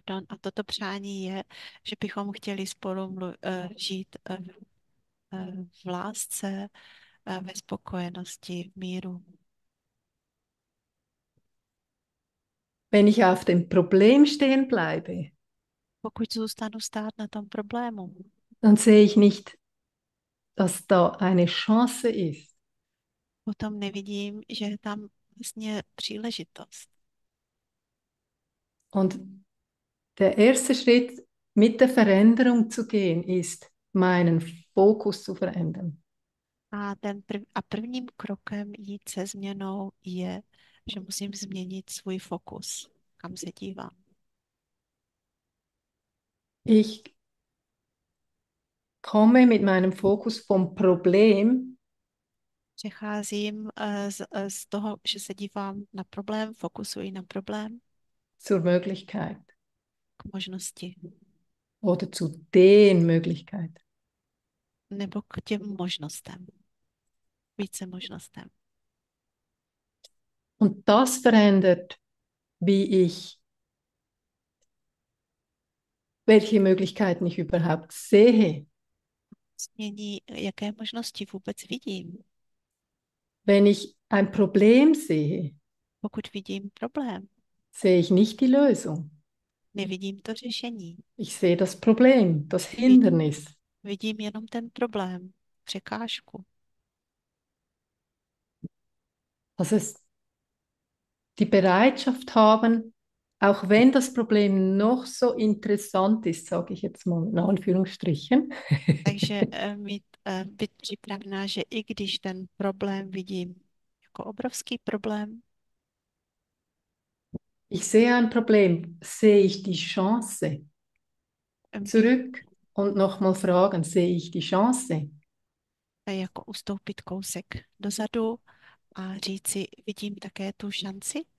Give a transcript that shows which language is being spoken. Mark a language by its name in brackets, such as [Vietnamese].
[Czech] A toto přání je, že bychom chtěli spolu žít v lásce, ve spokojenosti, v míru. [German] Wenn ich auf dem Problem stehen bleibe, [Czech] Pokud zůstanu stát na tom problému, [German] dann sehe ich nicht, dass da eine Chance ist. [Czech] potom nevidím, že je tam vlastně příležitost. [German] Und der erste Schritt, mit der Veränderung zu gehen, ist, meinen Fokus zu verändern. [Czech] A prvním krokem jít se změnou je, že musím změnit svůj fokus, kam se dívám. [German] Ich komme mit meinem Fokus vom Problem. [Czech] Přecházím z toho, že se dívám na problém, fokusuji na problém, [German] Zur Möglichkeit. [Czech] k možnosti [German] Oder zu den Möglichkeiten. [Czech] nebo k těm možnostem, více možnostem. [German] Und das verändert, wie ich. Welche Möglichkeiten ich überhaupt sehe. [Czech] Změní, jaké možnosti vůbec vidím. [German] Wenn ich ein Problem sehe, [Czech] Pokud vidím problém, [German] sehe ich nicht die Lösung. [Czech] nevidím to řešení. [German] Ich sehe das Problem, das Hindernis. [Czech] Vidím jenom ten problém, překážku. [German] Also es die Bereitschaft haben, auch wenn das Problem noch so interessant ist, sage ich jetzt mal in [Czech] Takže [German] Anführungsstrichen. [Czech] mít být připravená, že i když ten problém vidím jako obrovský problém, [German] Ich sehe ein Problem, sehe ich die Chance? [Czech] být [German] Zurück und nochmal fragen, sehe ich die Chance? [Czech] jako ustoupit kousek dozadu a říci, vidím také tu šanci.